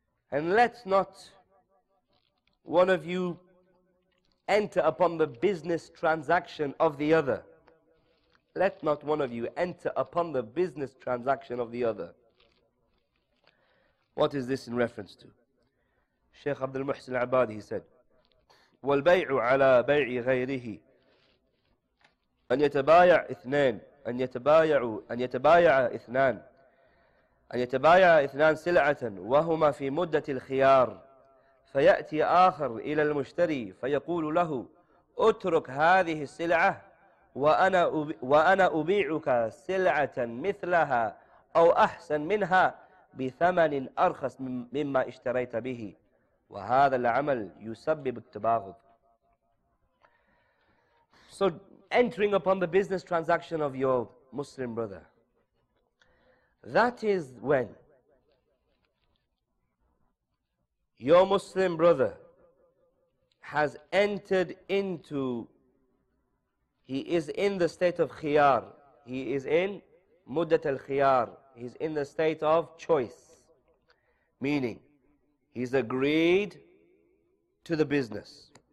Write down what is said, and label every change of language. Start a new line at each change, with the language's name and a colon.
English: And let's not one of you enter upon the business transaction of the other. Let not one of you enter upon the business transaction of the other. What is this in reference to? Shaykh Abdul Muhsin al-Abad, he said,
Arabic: وَالْبَيْعُ عَلَى بَيْعِ غَيْرِهِ أَنْ يَتَبَايَعَ إِثْنَانَ سِلْعَةً وَهُمَا فِي مُدَّةِ الْخِيَارِ فيأتي آخر إلى المشتري فيقول له اترك هذه السلعة وأنا أبيعك سلعة مثلها أو أحسن منها بثمن أرخص مما اشتريت به وهذا العمل يسبب التباغض.
English: So entering upon the business transaction of your Muslim brother, that is when your Muslim brother has entered into, he is in the state of khiyar, he is in muddat al-khiyar, he's in the state of choice, meaning he's agreed to the business.